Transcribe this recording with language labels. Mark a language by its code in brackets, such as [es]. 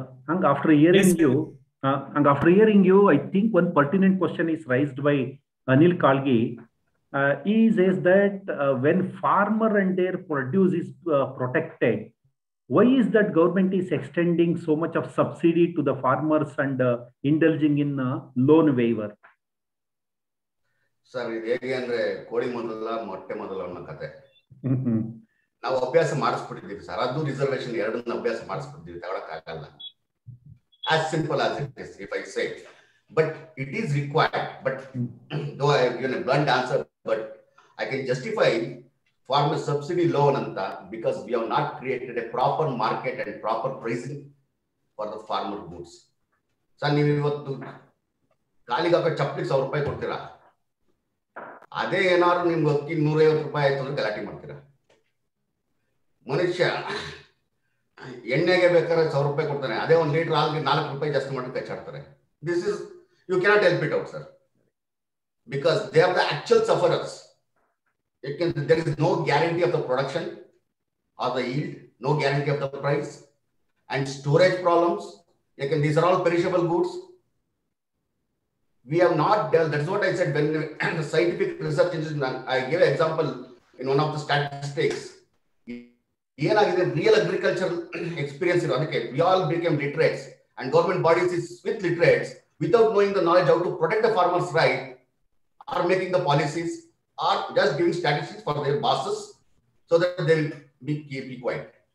[en] Hung after hearing you hung after hearing you I think one pertinent question is raised by Anil Kalgi is that when farmer and their produce is protected, why is that government is extending so much of subsidy to the farmers and indulging in loan waiver? [kn] Sir ಇದು ಹೇಗೆ ಅಂದ್ರೆ ಕೋಳಿ ಮೊದಲ ಮೊಟ್ಟೆ ಮೊದಲ ಅನ್ನೋ ಕತೆ. ನಾವು ಅಭ್ಯಾಸ ಮಾಡಿಸ್ಬಿಟ್ಟಿದ್ದೀವಿ ಸರ್, ಅದು ರಿಸರ್ವೇಶನ್ ಎರಡನ್ನ ಅಭ್ಯಾಸ ಮಾಡಿಸ್ಬಿಟ್ಟಿದ್ವಿ, ತಗೊಳಕ್ಕಾಗಲ್ಲ. [en] As simple as it is, if I say it. But it is required, but though I have given a blunt answer, but I can justify farmer subsidy loan anta because we have not created a proper market and proper pricing for the farmer goods. [kn] So, neevu ivattu kaaligaka chappli 100 rupay kodtira. ಅದೇ ಏನಾದ್ರು ನಿಮ್ಗೆ ಅಕ್ಕಿ 150 ರೂಪಾಯಿ ಆಯ್ತು ಅಂದ್ರೆ ಗಲಾಟೆ ಮಾಡ್ತೀರ. ಮನುಷ್ಯ ಎಣ್ಣೆಗೆ ಬೇಕಾದ್ರೆ 100 ರೂಪಾಯಿ ಕೊಡ್ತಾನೆ, ಅದೇ ಒಂದು ಲೀಟರ್ ಹಾಲಿಗೆ 4 ರೂಪಾಯಿ ಜಾಸ್ತಿ ಮಾಡಿ ಕಚ್ಚಾಡ್ತಾರೆ. [en] This is you cannot help it out sir, because they are the actual sufferers. ಯಾಕೆಂದ್ರೆ there is no guarantee of the production of the yield, no guarantee of the price and storage problems. ಯಾಕೆಂದ್ರೆ these are all perishable goods. We have not dealt, that's what I said, when the scientific research is done. I gave an example in one of the statistics. Real agricultural experience, we all became literates and government bodies is with literates without knowing the knowledge how to protect the farmers' right, are making the policies, are just giving statistics for their bosses so that they will be quiet.